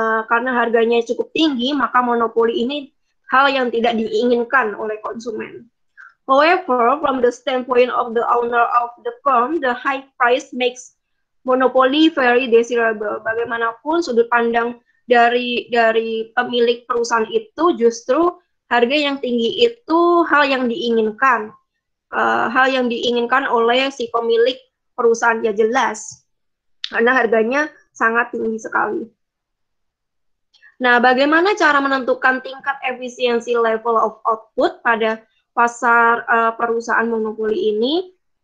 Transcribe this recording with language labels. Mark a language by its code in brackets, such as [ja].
[id] Karena harganya cukup tinggi, maka monopoli ini hal yang tidak diinginkan oleh konsumen. [en] However, from the standpoint of the owner of the firm, the high price makes monopoly very desirable. [id] Bagaimanapun sudut pandang dari pemilik perusahaan itu, justru harga yang tinggi itu hal yang diinginkan. Hal yang diinginkan oleh si pemilik perusahaan, ya jelas. Karena harganya sangat tinggi sekali. Nah, bagaimana cara menentukan tingkat efisiensi level of output pada pasar perusahaan monopoli ini?